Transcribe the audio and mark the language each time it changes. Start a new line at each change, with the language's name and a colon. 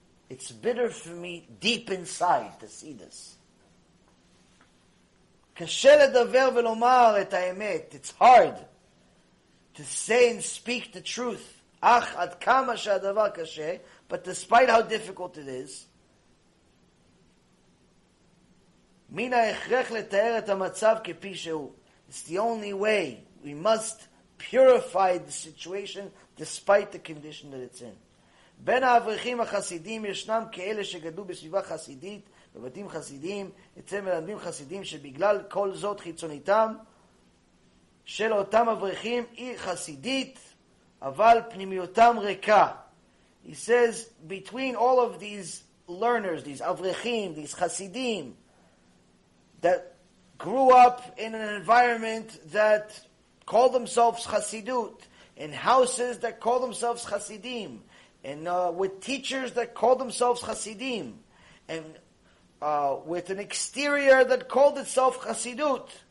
English: It's bitter for me deep inside to see this.
Hebrew: קשה לדבר ולומר את האמת.
English: It's hard to say and speak the truth.
Hebrew: אך עד כמה שהדבר קשה,
English: but despite how difficult it is,
Hebrew: מן ההכרח לתאר את המצב כפי שהוא.
English: It's the only way we must purify the situation despite the condition that it's in.
Hebrew: בין האברכים החסידים ישנם כאלה שגדלו בסביבה חסידית, בבתים חסידים, אצל מלמדים חסידים שבגלל כל זאת חיצוניתם של אותם אברכים היא חסידית, אבל פנימיותם ריקה.
English: He says, between all of these learners, these אברכים, these חסידים, that grew up in an environment that called themselves חסידות, in houses that called themselves חסידים, and with teachers that called themselves חסידים, and with an exterior that called itself Chasidut,